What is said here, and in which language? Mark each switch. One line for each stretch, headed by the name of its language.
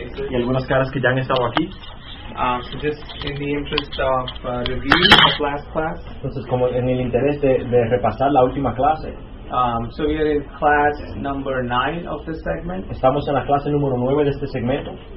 Spanish: y algunas caras que ya han estado aquí. Entonces, como en el interés de repasar la última clase.
English: So we are in class number 9 of this segment.
Spanish: Estamos en la clase número 9 de este segmento.